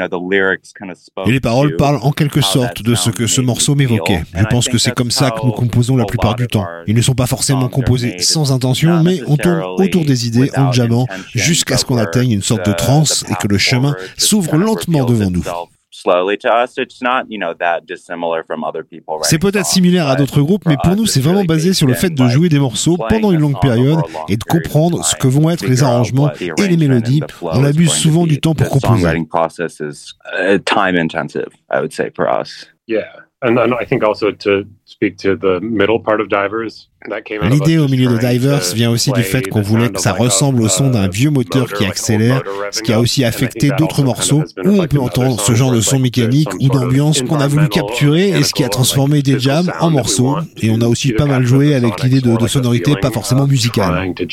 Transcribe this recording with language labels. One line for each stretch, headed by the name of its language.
French: Et les paroles parlent en quelque sorte de ce que ce morceau m'évoquait. Je pense que c'est comme ça que nous composons la plupart du temps. Ils ne sont pas forcément composés sans intention, mais on tourne autour des idées en jammant jusqu'à ce qu'on atteigne une sorte de transe et que le chemin s'ouvre lentement devant nous.
English: slowly to us, it's not, you know, that dissimilar from other people.
French: C'est peut-être similaire à d'autres groupes, mais pour nous, c'est vraiment basé sur le fait de jouer des morceaux pendant une longue période et de comprendre ce que vont être les arrangements et les mélodies. On abuse souvent du temps pour composer.
English: Songwriting process is time intensive, I would say, for us. Yeah. And then I think also to speak to the middle part of Divers.
French: L'idée au milieu de Divers vient aussi du fait qu'on voulait que ça ressemble au son d'un vieux moteur qui accélère, ce qui a aussi affecté d'autres morceaux où on peut entendre ce genre de son mécanique ou d'ambiance qu'on a voulu capturer et ce qui a transformé des jams en morceaux. Et on a aussi pas mal joué avec l'idée de sonorité pas forcément musicale.